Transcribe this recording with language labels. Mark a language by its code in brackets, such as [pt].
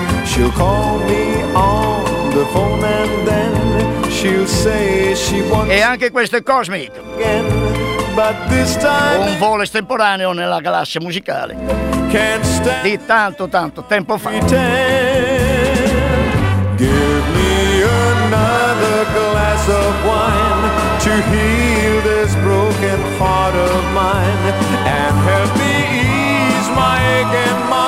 [en] She'll call me on the phone and then she'll say she wants. [it] E anche questo è Cosmic [en] again, but this time [it] un volo estemporaneo nella galassia musicale di tanto tanto tempo fa. [en] Give me another glass of wine to heal this broken heart of mine and help me ease my aching.